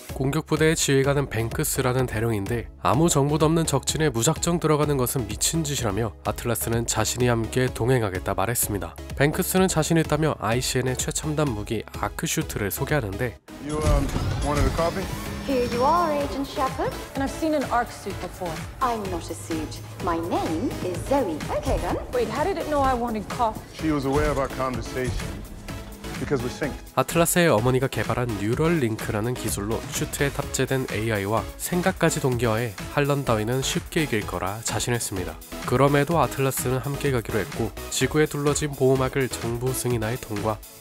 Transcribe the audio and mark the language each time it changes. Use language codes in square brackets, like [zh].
[ko] 공격부대의 지휘관은 뱅크스라는 대령인데, 아무 정보도 없는 적진에 무작정 들어가는 것은 미친 짓이라며 아틀라스는 자신이 함께 동행하겠다 말했습니다. 뱅크스는 자신 있다며 ICN의 최첨단 무기 아크슈트를 소개하는데, [en] You wanted a copy? Here you are, Agent Shepard. And I've seen an arc suit before. I'm not a siege. My name is Zoe. Okay, then. Wait, how did it know I wanted coffee? She was aware of our conversation. [ko] 아틀라스의 어머니가 개발한 뉴럴 링크라는 기술로 슈트에 탑재된 AI와 생각까지 동기화해 할런 따위는 쉽게 이길 거라 자신했습니다. 그럼에도 아틀라스는 함께 가기로 했고, 지구에 둘러진 보호막을 정부 승인하에 통과.